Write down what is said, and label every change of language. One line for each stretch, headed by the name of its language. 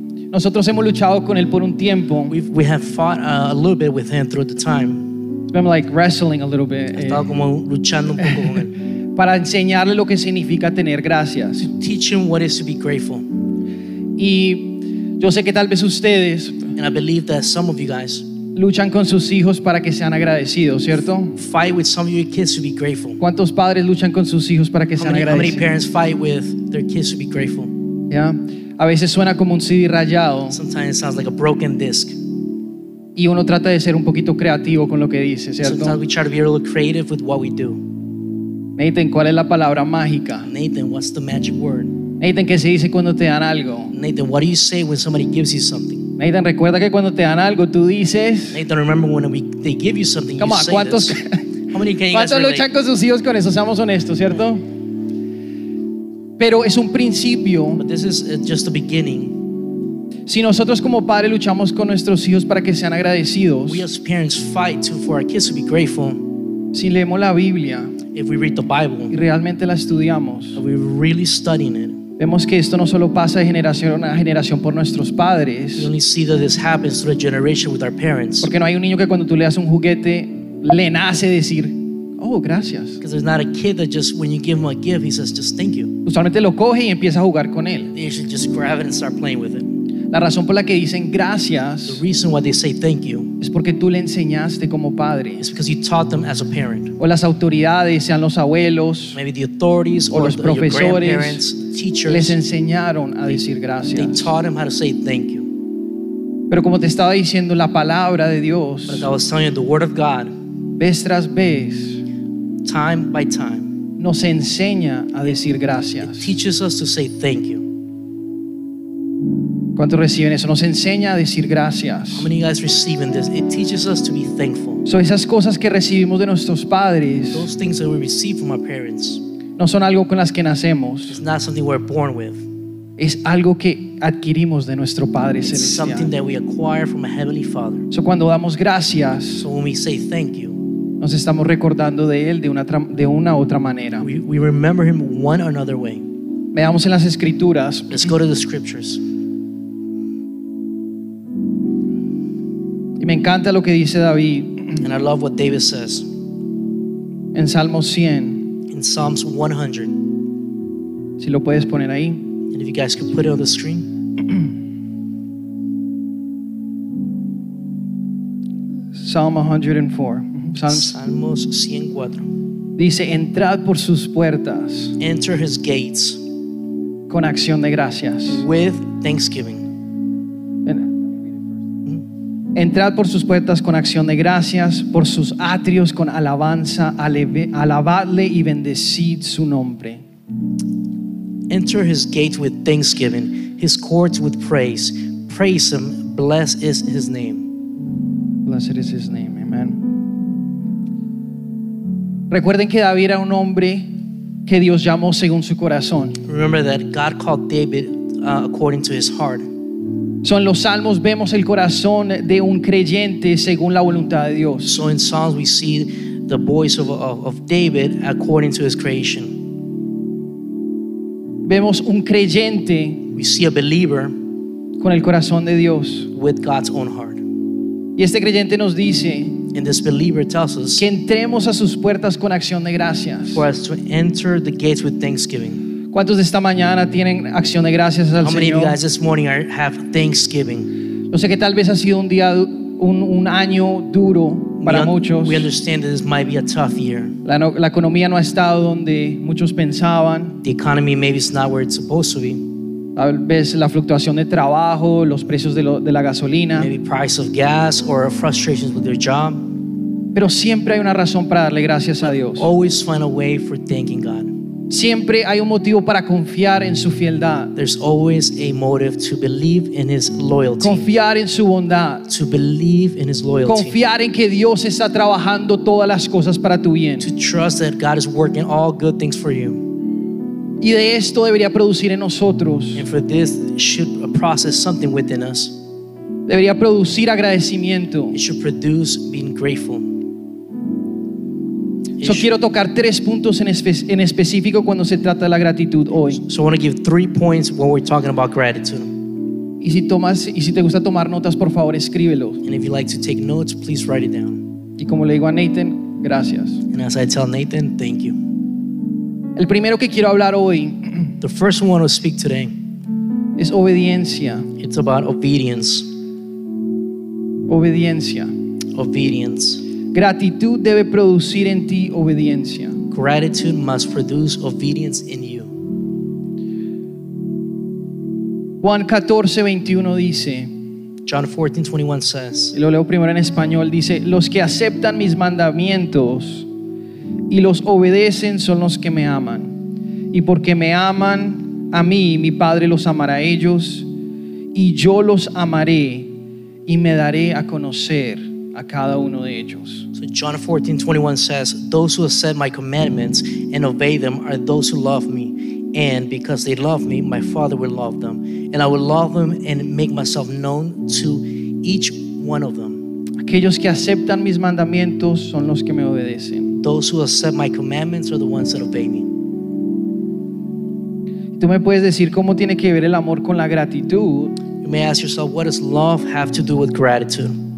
Spanish: Nosotros hemos luchado con él por un tiempo.
English: We have fought a little bit with him through the time. been like wrestling a little bit.
Spanish: He estado como luchando un poco con él. Para enseñarle lo que significa tener gracias.
English: To teach him what it is to be grateful.
Spanish: Y yo sé que tal vez ustedes,
English: and I believe that some of you guys,
Spanish: luchan con sus hijos para que sean agradecidos, ¿cierto?
English: Fight with some of your kids to be grateful.
Spanish: ¿Cuántos padres luchan con sus hijos para que sean agradecidos?
English: How many parents fight with their kids to be grateful?
Spanish: Yeah. A veces suena como un CD rayado.
English: Sometimes it sounds like a broken disc.
Spanish: Y uno trata de ser un poquito creativo con lo que dice, ¿cierto?
English: Sometimes we try to be a little creative with what we do.
Spanish: Nathan, ¿cuál es la palabra mágica?
English: Nathan, what's the magic word?
Spanish: Nathan, ¿qué se dice cuando te dan algo?
English: Nathan, what do you say when somebody gives you something?
Spanish: Nathan, recuerda que cuando te dan algo, tú dices.
English: Nathan, remember when they give you something, come you on, say
Spanish: ¿cuántos,
English: this. How many can you
Spanish: ¿cuántos
English: guys
Spanish: luchan con sus hijos con eso? Seamos honestos, ¿cierto? Pero es un principio.
English: But this is just the beginning.
Spanish: Si nosotros como padres luchamos con nuestros hijos para que sean agradecidos.
English: We as parents fight for our kids to be grateful.
Spanish: Si leemos la Biblia.
English: If we read the Bible.
Spanish: Y realmente la estudiamos.
English: If we really studying it.
Spanish: Vemos que esto no solo pasa de generación a generación por nuestros padres.
English: We only see that this happens through a generation with our parents.
Spanish: Porque no hay un niño que cuando tú le das un juguete le nace decir, oh, gracias.
English: Because there's not a kid that just when you give him a gift he says just thank you.
Spanish: Usualmente lo coge y empieza a jugar con él.
English: They usually just grab it and start playing with it.
Spanish: La razón por la que dicen gracias,
English: the reason why they say thank you,
Spanish: es porque tú le enseñaste como padre.
English: It's because you taught them as a parent.
Spanish: O las autoridades, sean los abuelos,
English: maybe the authorities
Spanish: o los profesores,
English: your grandparents, teachers,
Spanish: les enseñaron a decir gracias.
English: They taught them how to say thank you.
Spanish: Pero como te estaba diciendo, la palabra de Dios,
English: but as I was telling you, the word of God,
Spanish: vez tras vez,
English: time by time,
Spanish: nos enseña a decir gracias.
English: It teaches us to say thank you.
Spanish: ¿Cuántos reciben eso? Nos enseña a decir gracias.
English: How many of you guys receiving this? It teaches us to be thankful.
Spanish: So esas cosas que recibimos de nuestros padres,
English: those things that we receive from our parents,
Spanish: no son algo con las que nacemos.
English: It's not something we're born with.
Spanish: Es algo que adquirimos de nuestro Padre
English: it's
Spanish: celestial.
English: Something that we acquire from a heavenly Father.
Spanish: So cuando damos gracias,
English: so when we say thank you,
Spanish: nos estamos recordando de él de una otra manera.
English: We remember him one or another way.
Spanish: Veamos en las escrituras.
English: Let's go to the scriptures.
Spanish: Me encanta lo que dice David.
English: And I love what David says.
Spanish: En Salmos 100.
English: In Psalms 100.
Spanish: Si lo puedes poner ahí.
English: And if you guys could put it on the screen. Psalm 104.
Spanish: Salmos 104. Dice, entrad por sus puertas.
English: Enter his gates.
Spanish: Con acción de gracias.
English: With thanksgiving.
Spanish: Entrad por sus puertas con acción de gracias, por sus atrios con alabanza, alabadle y bendecid su nombre.
English: Enter his gates with thanksgiving, his courts with praise. Praise him, blessed is his name. Blessed is his name, amen.
Spanish: Recuerden que David era un hombre que Dios llamó según su corazón.
English: Remember that God called David according to his heart.
Spanish: So en los salmos vemos el corazón de un creyente según la voluntad de Dios.
English: So in Psalms we see the voice of David according to his creation.
Spanish: Vemos un creyente,
English: we see a believer,
Spanish: con el corazón de Dios,
English: with God's own heart.
Spanish: Y este creyente nos dice,
English: and this believer tells us,
Spanish: que entremos a sus puertas con acción de gracias.
English: For us to enter the gates with thanksgiving.
Spanish: ¿Cuántos de esta mañana tienen acción de gracias al Señor?
English: How many of you guys this morning have thanksgiving?
Spanish: Yo sé que tal vez ha sido un día, un año duro para muchos.
English: We understand that this might be a tough year.
Spanish: La economía no ha estado donde muchos pensaban.
English: The economy maybe is not where it's supposed to be.
Spanish: Tal vez la fluctuación de trabajo, los precios de la gasolina.
English: Maybe price of gas or frustrations with your job.
Spanish: Pero siempre hay una razón para darle gracias a Dios.
English: Always find a way for thanking God.
Spanish: Siempre hay un motivo para confiar en su fidelidad.
English: There's always a motive to believe in his loyalty.
Spanish: Confiar en su bondad.
English: To believe in his loyalty.
Spanish: Confiar en que Dios está trabajando todas las cosas para tu bien.
English: To trust that God is working all good things for you.
Spanish: Y de esto debería producir en nosotros.
English: And for this should process something within us.
Spanish: Debería producir agradecimiento.
English: It should produce being grateful.
Spanish: So quiero tocar tres puntos en específico cuando se trata de la gratitud hoy.
English: So I want to give three points when we're talking about gratitude.
Spanish: Y si te gusta tomar notas, por favor, escríbelo.
English: And if you like to take notes, please write it down.
Spanish: Y como le digo a Nathan, gracias.
English: And as I tell Nathan, thank you.
Spanish: El primero que quiero hablar hoy,
English: the first one to speak today,
Spanish: es obediencia.
English: It's about obedience.
Spanish: Obediencia.
English: Obedience.
Spanish: Gratitud debe producir en ti obediencia.
English: Gratitude must produce obedience in you.
Spanish: Juan 14, 21 dice,
English: John 14, 21 says,
Spanish: y lo leo primero en español, dice, los que aceptan mis mandamientos y los obedecen son los que me aman. Y porque me aman a mí, mi Padre los amará a ellos, y yo los amaré y me daré a conocer a cada uno de ellos.
English: So John 14, 21 says, those who accept my commandments and obey them are those who love me. And because they love me, my Father will love them. And I will love them and make myself known to each one of them.
Spanish: Aquellos que aceptan mis mandamientos son los que me obedecen.
English: Those who accept my commandments are the ones that obey me.
Spanish: Tú me puedes decir cómo tiene que ver el amor con la gratitud.
English: You may ask yourself, what does love have to do with gratitude?